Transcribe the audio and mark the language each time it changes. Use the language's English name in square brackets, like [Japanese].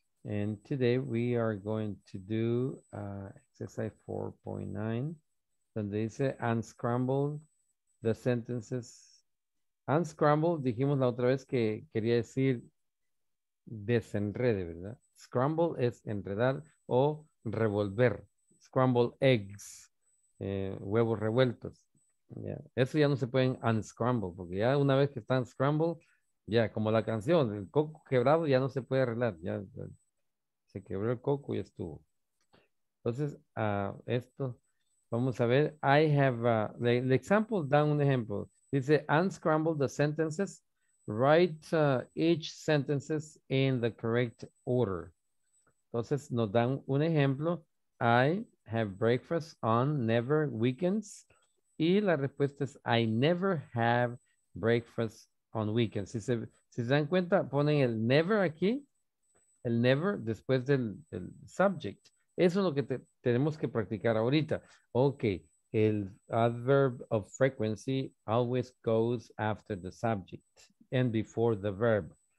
[English] And today we are going to do exercise 4.9. [Spanish] Donde dice [English] unscramble the sentences. [Spanish] Unscramble, dijimos la otra vez que quería decir desenrede, ¿verdad? Scramble es enredar o revolver. [English] Scramble eggs, [Spanish] huevos revueltos. [English] Yeah. [Spanish] Eso ya no se pueden unscramble, porque ya una vez que están scramble, ya como la canción, el coco quebrado ya no se puede arreglar. Ya se quebró el coco y estuvo. Entonces, esto, vamos a ver. [English] I have, the example, [Spanish] da un ejemplo. Dice, [English] unscramble the sentences. Write each sentences in the correct order. [Spanish] Entonces, nos dan un ejemplo. [English] I have breakfast on never weekends. [Spanish] Y la respuesta es, [English] I never have breakfast on weekends. [Spanish] Si se dan cuenta, ponen el never aquí. El never después del subject. Eso es lo que tenemos que practicar ahorita. [English] Okay. El adverb of frequency always goes after the subject and before the verb.